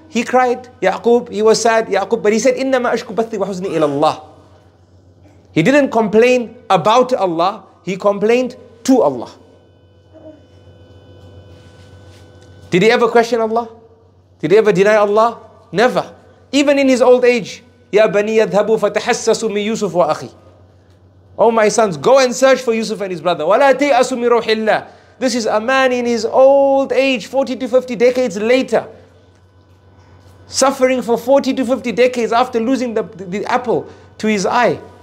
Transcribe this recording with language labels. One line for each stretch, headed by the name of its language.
English: He cried, Ya'qub, he was sad, Ya'qub, but he said,
Arabic: إِنَّمَا أَشْكُ بَثِّي وَحُزْنِي إِلَى اللَّهِ.
English: He didn't complain about Allah, he complained to Allah. Did he ever question Allah? Did he ever deny Allah? Never. Even in his old age,
Arabic: يَا بَنِيَ ذْهَبُوا فَتَحَسَّسُوا مِنْ يُوسُفُ وَأَخِي.
English: Oh my sons, go and search for Yusuf and his brother.
Arabic: وَلَا تَيْأَسُوا مِنْ رَوْحِ اللَّهِ.
English: This is a man in his old age, 40 to 50 decades later, suffering for 40 to 50 decades after losing the apple to his eye.